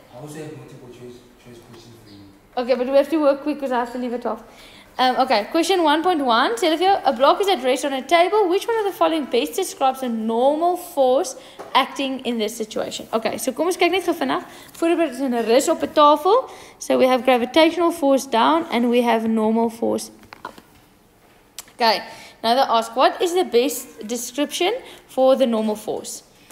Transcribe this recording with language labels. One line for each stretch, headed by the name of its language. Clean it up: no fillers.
English: I also have multiple choice questions for you. Okay, but we have to work quick because I have to leave it off. Okay, question 1.1. Tell if a block is at rest on a table, which one of the following best describes a normal force acting in this situation?
Afrikaans: Okay, so kom ons kyk net gou vinnig. Voorbeeld is 'n rus op 'n tafel.
English: So we have gravitational force down and we have normal force up. Okay, now they ask, what is the best description for the normal force?